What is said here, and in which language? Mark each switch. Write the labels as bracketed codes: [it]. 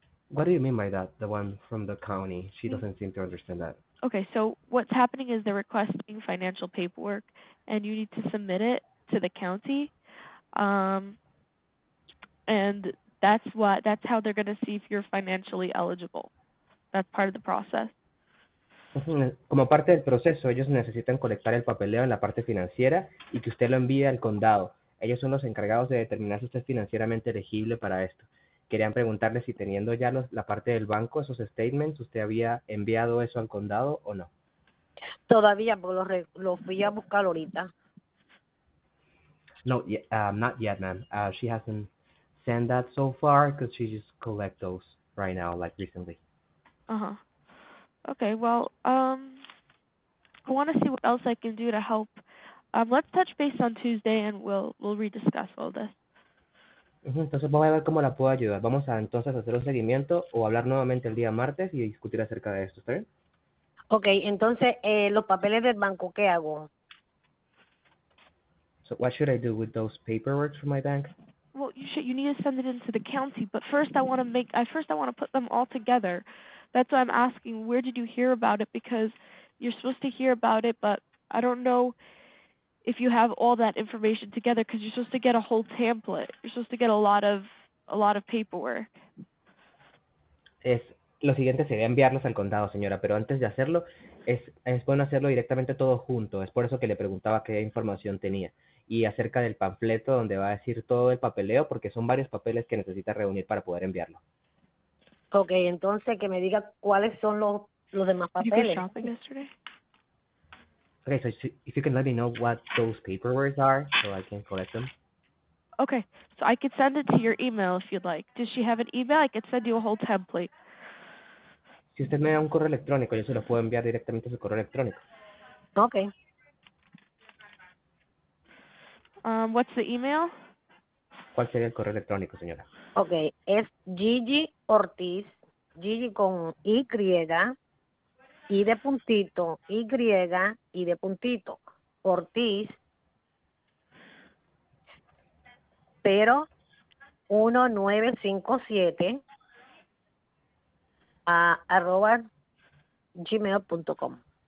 [en] What do you mean by that, the one from the county? She doesn't seem to understand that. Okay, so what's happening is they're requesting financial paperwork, and you need to submit it to the county. And that's how they're going to see if you're financially eligible. That's part of the process. [es] Como parte del proceso, ellos necesitan colectar el papeleo en la parte financiera y que usted lo envíe al condado. Ellos son los encargados de determinar si usted es financieramente elegible para esto. Querían preguntarle si teniendo ya la parte del banco, esos statements, usted había enviado eso al condado o no. Todavía, porque lo fui a buscar ahorita. [en] No, not yet, ma'am. She hasn't sent that so far because she just collect those right now, like recently. Uh-huh. Okay, well, I want to see what else I can do to help. Let's touch base on Tuesday and we'll rediscuss all this. [es] Entonces vamos a ver cómo la puedo ayudar. Vamos a entonces hacer un seguimiento o hablar nuevamente el día martes y discutir acerca de esto, ¿está bien? Okay, entonces los papeles del banco, ¿qué hago? [en] So what should I do with those paperwork from my bank? Well, you need to send it into the county, but first I want to put them all together. That's why I'm asking, where did you hear about it? Because you're supposed to hear about it, but I don't know if you have all that information together because you're supposed to get a whole template. You're supposed to get a lot of paperwork. [es] Es lo siguiente sería enviarlos al condado, señora, pero antes de hacerlo, es bueno hacerlo directamente todo junto. Es por eso que le preguntaba qué información tenía. y acerca del panfleto donde va a decir todo el papeleo, porque son varios papeles que necesita reunir para poder enviarlo. Okay, entonces que me diga cuáles son los demás [en] You go [es] papeles. [en] shopping yesterday? Okay, so if you can let me know what those paperwork are so I can collect them. Okay, so I could send it to your email if you'd like. Does she have an email? I could send you a whole template. [es] Si usted me da un correo electrónico, yo se lo puedo enviar directamente a su correo electrónico. Okay. [en] What's the email? [es] ¿Cuál sería el correo electrónico, señora? Okay, es Gigi Ortiz, Gigi con y de puntito, y de puntito, Ortiz, pero 1957 a arroba gmail.com.